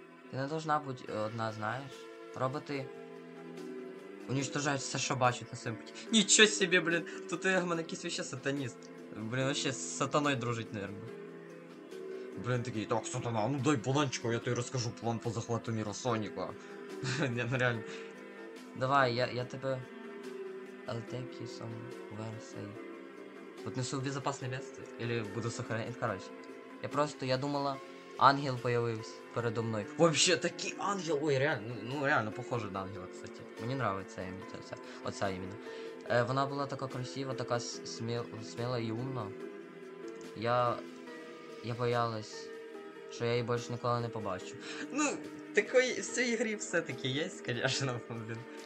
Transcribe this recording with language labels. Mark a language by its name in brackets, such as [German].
[Ukrainian] Ти не повинна бути одна, знаєш. Роботи уничтожають все, що бачать на своєму путі. Нічого собі, блін. Тут я в мене якийсь ще сатаніст. Блін, вообще з сатаною дружить, наверно. Блін, такий, так, сатана, ну дай бананчику, я тобі розкажу план по захвату міра Соніка. Не, ну реально. Давай, я тебе... [English] I'll take you somewhere safe. [Ukrainian] Отнесу в безпечне місце? [Russian] Или буду сохранять? [Ukrainian] Короче. Я просто, я думала, ангел появився передо мною. Вообще, такий ангел, ой, реально, ну реально, похоже на ангела, кстати. Мені нравиться ця, оця іменно. Вона була така красива, така сміла і умна. Я боялась, що я її більше ніколи не побачу. Ну... Такої всієї грі все-таки є, звісно, блін.